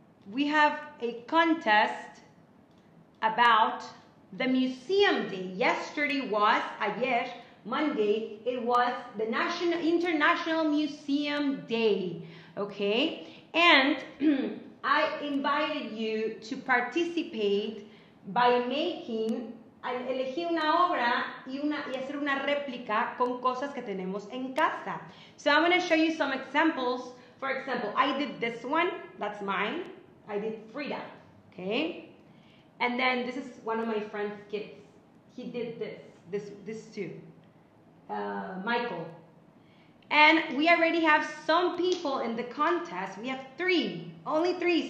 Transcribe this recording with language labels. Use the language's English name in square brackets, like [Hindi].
[English] We have a contest about the museum day. [Spanish] Ayer, [English] Monday, it was the International Museum Day, okay? And I invited you to participate by making [Spanish] elegí una obra y una y hacer una réplica con cosas que tenemos en casa. [English] So I'm going to show you some examples. For example, I did this one. That's mine. I did Frida. Okay? And then this is one of my friend's kids. He did this too. Michael. And we already have some people in the contest. We have three. Only three.